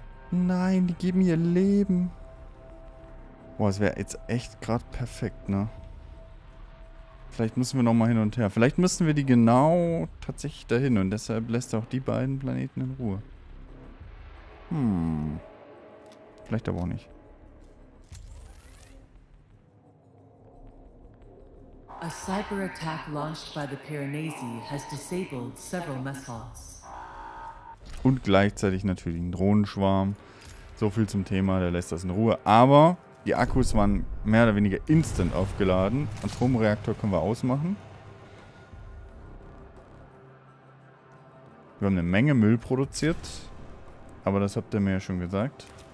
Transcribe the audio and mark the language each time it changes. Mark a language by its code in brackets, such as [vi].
[de] Nein, die geben ihr Leben. Boah, es wäre jetzt echt gerade perfekt, ne? Vielleicht müssen wir nochmal hin und her. Vielleicht müssen wir die genau tatsächlich dahin. Und deshalb lässt er auch die beiden Planeten in Ruhe. Vielleicht aber auch nicht. [en] A cyber attack launched by the Piranesi has disabled several missiles. [de] Und gleichzeitig natürlich ein Drohnenschwarm. So viel zum Thema, der lässt das in Ruhe. Aber die Akkus waren mehr oder weniger instant aufgeladen. Atomreaktor können wir ausmachen. Wir haben eine Menge Müll produziert. Aber das habt ihr mir ja schon gesagt.